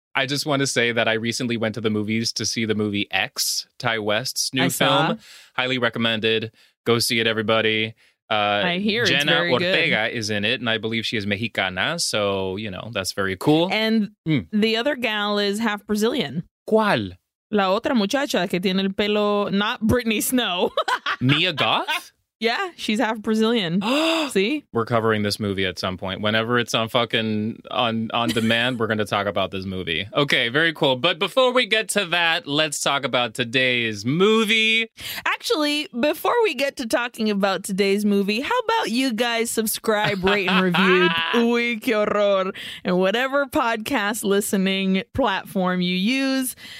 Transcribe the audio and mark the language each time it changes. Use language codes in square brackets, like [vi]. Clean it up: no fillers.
[en] I just want to say that I recently went to the movies to see the movie X, Ty West's new film. Highly recommended. Go see it, everybody. I hear Jenna it's very Ortega good. Is in it, and I believe she is Mexicana, so, you know, that's very cool. And the other gal is half Brazilian. [es] ¿Cuál? La otra muchacha que tiene el pelo, [en] not Britney Snow. Mia Goth? Yeah, she's half Brazilian. See? We're covering this movie at some point. Whenever it's on fucking on demand, we're going to talk about this movie. Okay, very cool. But before we get to that, let's talk about today's movie. Actually, before we get to talking about today's movie, how about you guys subscribe, rate, and review Uy, qué horror, and whatever podcast listening platform you use.